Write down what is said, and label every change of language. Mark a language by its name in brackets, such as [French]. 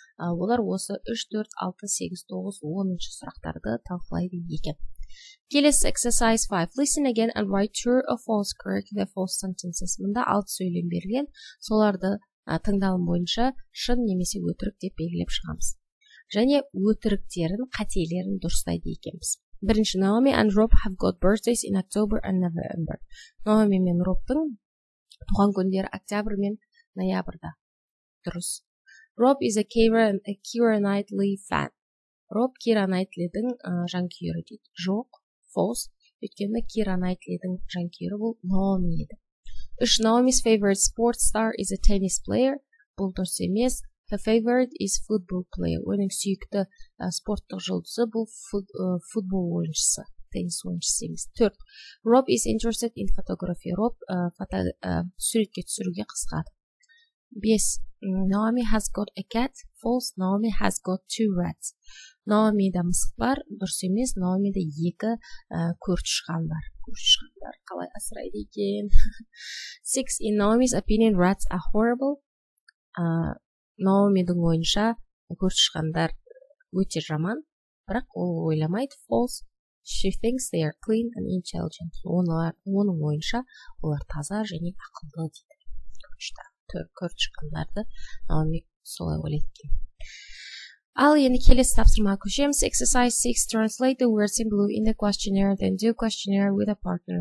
[Kazakh] Олар осы 3, 4, 6, 8, 9, 10-шы сұрақтарды талқылайды екен. Келесі [English] exercise 5. Listen again and write true or false, correct the false sentences. [Kazakh] Мында 6 сөйлем берілген, соларды тыңдалым бойынша шын немесе өтірік деп белгілеп шығамыз. Және өтіріктерін, қателерін дұрыстайды екенбіз. [English] Бірінші, Naomi and Rob have got birthdays in October and November. [Kazakh] Naomi мен Robтың туған күндері октябр мен ноябрьда. Дұрыс. [English] Rob is a Keira Knightley fan. [Kazakh] Rob Keira Knightley-дің жанкүйері дейді. Жоқ. [English] False. [Kazakh] Өйткені Keira Knightley-дің жанкүйері бұл Naomi еді. [English] Үш, Naomi's favorite sports star is a tennis player. [Kazakh] Бұл дұрыс емес. [English] Her favorite is football player. [Kazakh] Оның сүйікті спорттық жұлдызы бұл футбол ойыншысы. Теннис ойыншысы емес. Төрт, [English] Rob is interested in photography. [Kazakh] Rob суретке түсіруге қызығады. Бес, [English] Naomi has got a cat. False. Naomi has got two rats. [Kazakh] Наоми-да мысық бар, дұрыс емес, Наоми-да екі көрші шығандар қалай асырайды екен. [English] Six, in Naomi's opinion, rats are horrible. [Kazakh] Наоми-дің ойынша көрші шығандар өте жаман, бірақ ол ойламайды. [English] False, she thinks they are clean and intelligent. [Kazakh] Оның ойынша олар таза және ақылды дейді. Көрші шығандарды Наоми солай ойлайды екен. Ал енді келесі тапсырма көшеміз. [English] Exercise 6. Translate the words in blue in the questionnaire, then do questionnaire with a partner.